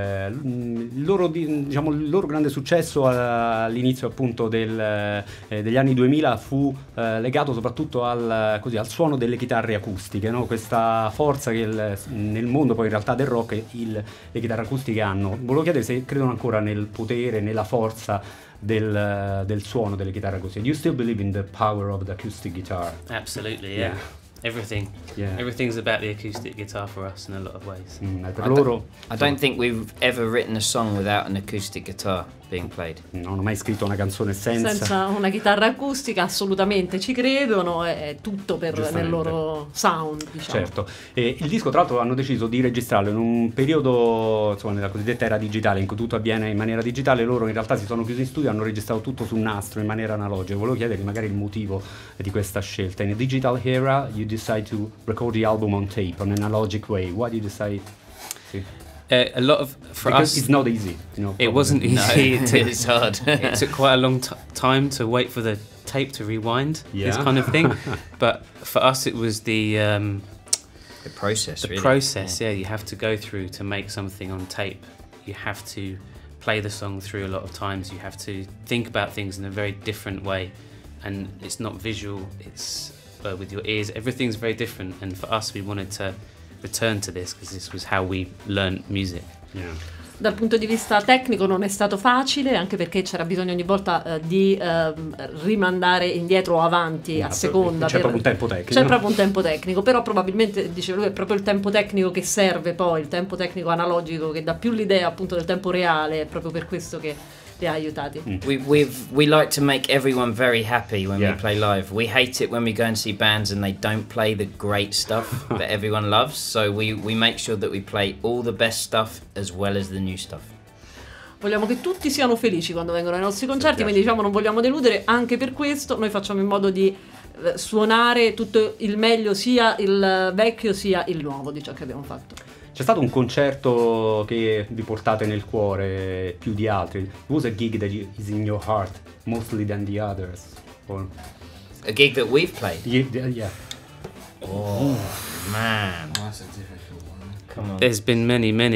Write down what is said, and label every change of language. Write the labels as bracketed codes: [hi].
[it] Il loro grande successo all'inizio appunto degli anni 2000 fu legato soprattutto al suono delle chitarre acustiche, no? Questa forza che nel mondo poi in realtà del rock le chitarre acustiche hanno. Volevo chiedere se credono ancora nel potere, nella forza del suono delle chitarre acustiche. [en] Do you still believe in the power of the acoustic guitar? Absolutely, yeah. Everything. Yeah. Everything's about the acoustic guitar for us in a lot of ways. I don't think we've ever written a song without an acoustic guitar being played. [it] Non ho mai scritto una canzone senza una chitarra acustica, assolutamente, ci credono, è tutto nel loro sound, diciamo. Certo. E il disco, tra l'altro, hanno deciso di registrarlo in un periodo, insomma, nella cosiddetta era digitale, in cui tutto avviene in maniera digitale. Loro in realtà si sono chiusi in studio, hanno registrato tutto su nastro in maniera analogica. Volevo chiedergli magari il motivo di questa scelta. [en] In a digital era, you decide to record the album on tape, on an analogic way. Why do you decide? A lot of for because us it's not easy, you know, it wasn't easy. No, it's hard. It took quite a long time to wait for the tape to rewind, yeah, this kind of thing. But for us it was the process yeah. Yeah, you have to go through to make something on tape. You have to play the song through a lot of times, you have to think about things in a very different way, and it's not visual, it's with your ears, everything's very different. And for us we wanted to return to this because this was how we learned music. Yeah. [it] Dal punto di vista tecnico non è stato facile, anche perché c'era bisogno ogni volta rimandare indietro o avanti, a seconda. C'è proprio un tempo tecnico, però probabilmente, diceva lui, è proprio il tempo tecnico che serve, poi il tempo tecnico analogico che dà più l'idea appunto del tempo reale, è proprio per questo che li ha aiutati. [en] We like to make everyone very happy when we play live. We hate it when we go and see bands and they don't play the great stuff that everyone loves, so we make sure that we play all the best stuff as well as the new stuff. [it] Vogliamo che tutti siano felici quando vengono ai nostri concerti, quindi diciamo non vogliamo deludere. Anche per questo noi facciamo in modo di suonare tutto il meglio, sia il vecchio sia il nuovo, di ciò che abbiamo fatto. C'è stato un concerto che vi portate nel cuore più di altri? [en] Was a gig that is in your heart mostly than the others? Or a gig that we've played? Yeah. Oh, ooh, man. That's a difficult one. Come on. There's been many.